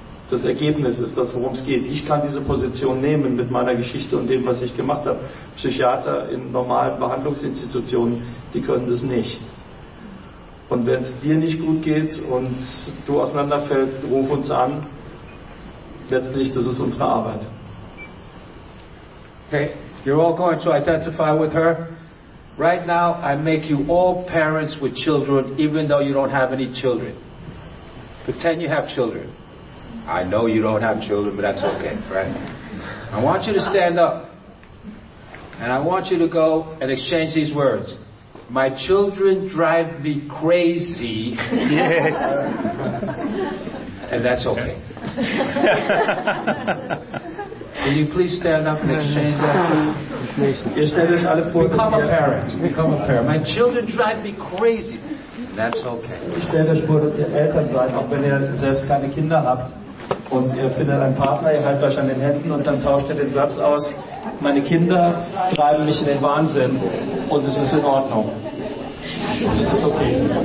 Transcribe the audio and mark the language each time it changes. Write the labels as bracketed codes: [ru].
[de] Das Ergebnis ist das, worum es geht. Ich kann diese Position nehmen mit meiner Geschichte und dem, was ich gemacht habe. Psychiater in normalen Behandlungsinstitutionen, die können das nicht. Und wenn es dir nicht gut geht und du auseinanderfällst, ruf uns an. Letztlich, das ist unsere Arbeit. [en] Okay, you're all going to identify with her. Right now, I make you all parents with children, even though you don't have any children. Pretend you have children. I know you don't have children, but that's okay, right? I want you to stand up. And I want you to go and exchange these words. My children drive me crazy. Yes. And that's okay. Can you please stand up and exchange that? Become a parent. Become a parent. My children drive me crazy. And that's okay. [de] Stell dir vor, dass ihr Eltern seid, auch wenn ihr selbst keine Kinder habt. Und ihr findet einen Partner, ihr haltet euch an den Händen und dann tauscht ihr den Satz aus, meine Kinder treiben mich in den Wahnsinn und es ist in Ordnung. Und es ist okay.